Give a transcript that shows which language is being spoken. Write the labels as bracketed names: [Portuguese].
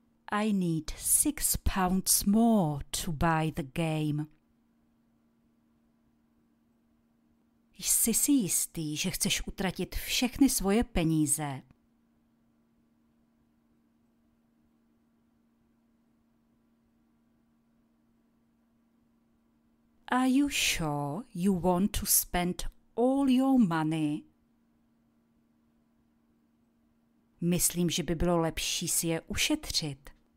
[English] I need 6 pounds more to buy the game. [Czech] Jsi si jistý, že chceš utratit všechny svoje peníze? [English] Are you sure you want to spend all your money? [Czech] Myslím, že by bylo lepší si je ušetřit.